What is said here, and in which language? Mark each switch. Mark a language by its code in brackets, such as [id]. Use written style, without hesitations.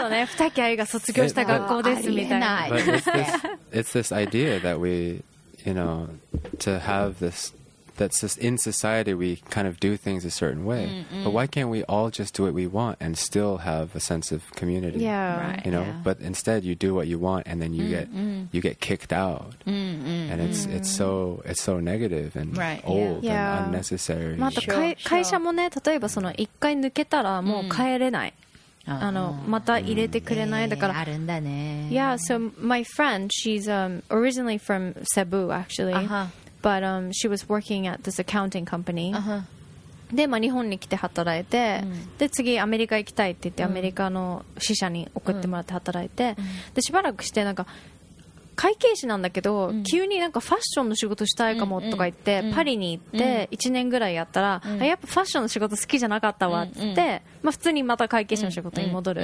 [ja] そうね、二木愛が卒業した学校ですみたいな。 [en] But it's this idea that we, you know, to have this, that's just in society we kind of do things a certain way. Mm-hmm. But why can't we all just do what we want and still have a sense of community? Yeah, right. You know, yeah. But instead you do what you want and then you get kicked out. Mm-hmm. And it's so negative and right, old yeah. and unnecessary. [ja] まあ、あと会社もね、例えばその一回抜けたらもう帰れない。また入れてくれない、だから、あるんだね。 [en] Yeah, so my friend, she's originally from Cebu, actually. Uh-huh. But she was working at this accounting company. Uh-huh. [ja] で、まあ、日本に来て働いて、で、次アメリカ行きたいって言って、アメリカの支社に送ってもらって働いて、で、しばらくしてなんか会計士なんだけど、急になんかファッションの仕事したいかもとか言って、パリに行って1年ぐらいやったら、あ、やっぱファッションの仕事好きじゃなかったわって言って、まあ、普通にまた会計士の仕事に戻る。